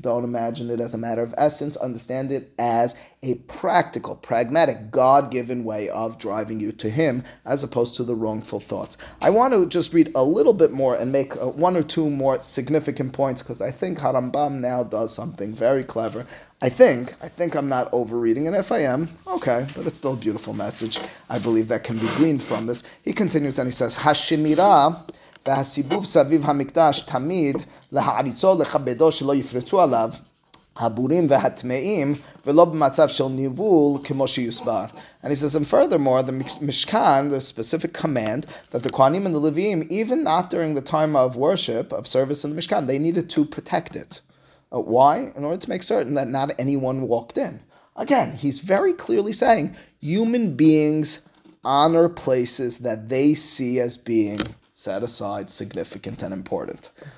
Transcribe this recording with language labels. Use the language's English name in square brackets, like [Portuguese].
[English] Don't imagine it as a matter of essence. Understand it as a practical, pragmatic, God-given way of driving you to Him as opposed to the wrongful thoughts. I want to just read a little bit more and make one or two more significant points because I think Harambam now does something very clever. I think I'm not overreading, and if I am, okay, but it's still a beautiful message, I believe, that can be gleaned from this. He continues and he says, [Hebrew] Hashimira והסיבוב סביב המקדש תמיד להעריצו לכבדו שלא יפרצו עליו הבורים והטמאים ולא במצב של ניבול כמו שיוסבר. [English] And he says, and furthermore, the Mishkan, the specific command, that the Kohanim and the Levim, even not during the time of worship, of service in the Mishkan, they needed to protect it. Why? In order to make certain that not anyone walked in. Again, he's very clearly saying, human beings honor places that they see as being set aside, significant, and important.